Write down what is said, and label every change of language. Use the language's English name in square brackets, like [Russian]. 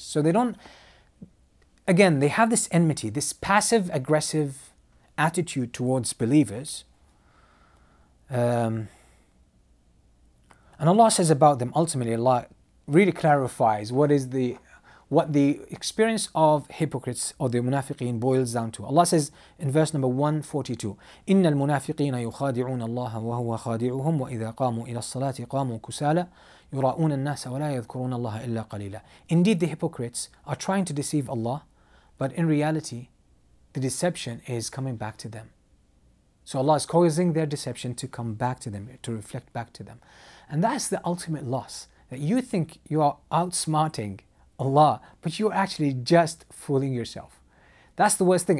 [English] So they don't, again, they have this enmity, this passive-aggressive attitude towards believers. And Allah says about them, ultimately, Allah really clarifies what the experience of hypocrites or the munafiqeen boils down to. Allah says in verse number 142, [Arabic] إِنَّ الْمُنَافِقِينَ يُخَادِعُونَ اللَّهَ وَهُوَ خَادِعُهُمْ وَإِذَا قَامُوا إِلَى الصَّلَاةِ قَامُوا كُسَالَ يُرَاؤُونَ النَّاسَ وَلَا يَذْكُرُونَ اللَّهَ إِلَّا قَلِيلًا. [English] Indeed, the hypocrites are trying to deceive Allah, but in reality, the deception is coming back to them. So Allah is causing their deception to come back to them, to reflect back to them. And that's the ultimate loss, that you think you are outsmarting Allah, but you're actually just fooling yourself. That's the worst thing.